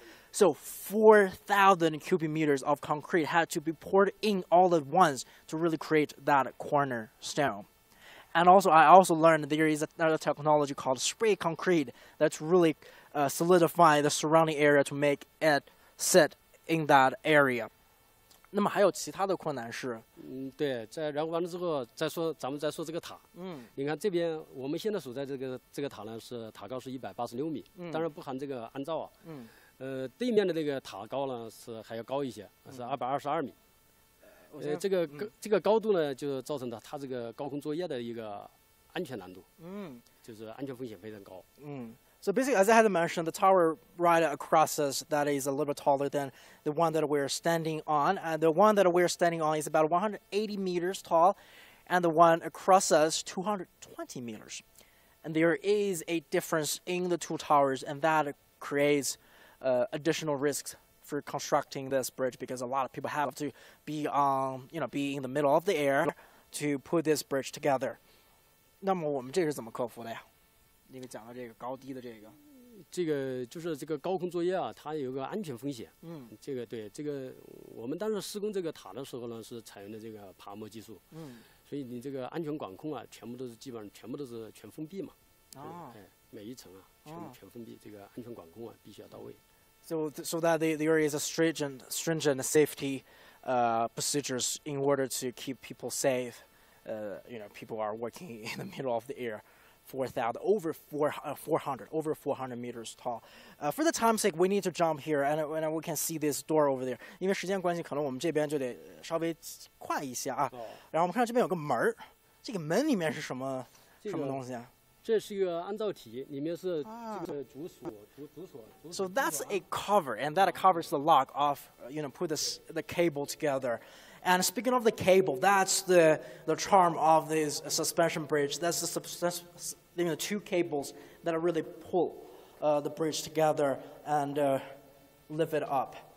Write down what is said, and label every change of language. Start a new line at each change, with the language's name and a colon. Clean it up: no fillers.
English: So 4,000 cubic meters of concrete had to be poured in all at once to really create that cornerstone. And also, I also learned there is another technology called spray concrete that's really solidify the surrounding area to make it sit in that area.
Chinese: 那么还有其他的困难是？对，在然后完了之后再说，咱们再说这个塔。嗯，你看这边我们现在所在这个塔呢，是塔高是186米，嗯，当然不含这个安灶啊。嗯，对面的那个塔高呢是还要高一些，是222米。这个高度呢，就造成了它这个高空作业的一个安全难度。嗯，就是安全风险非常高。嗯。
English: So basically, as I had mentioned, the tower right across us that is a little bit taller than the one that we're standing on. And the one that we're standing on is about 180 meters tall, and the one across us, 220 meters. And there is a difference in the two towers, and that creates additional risks for constructing this bridge, because a lot of people have to be, you know, be in the middle of the air to put this bridge together.
Chinese: 那么我们这是怎么克服的呀？那个讲的这个高低的这个就是这个高空作业啊，它有个安全风险。嗯，这个对，这个我们当时施工这个塔的时候呢，是采用的这个爬模技术。嗯，所以你这个安全管控啊，基本上全部都是全封闭嘛。哦，哎，每一层啊，全封闭，这个安全管控啊，必须要到位。
English: So that there is a stringent safety, procedures in order to keep people safe. You know, people are working in the middle of the air. 400 meters tall. For the time's sake, we need to jump here, and we can see this door over there.
Chinese: 因为时间关系，可能我们这边就得稍微快一些啊。然后我们看到这边有个门儿，这个门里面是什么、这个、什么东西啊？这是一个安灶体，里面是这个主锁。
English: So that's a cover, and that covers the lock of, you know, put the cable together. And speaking of the cable, that's the charm of this suspension bridge. That's the two cables that really pull the bridge together and lift it up.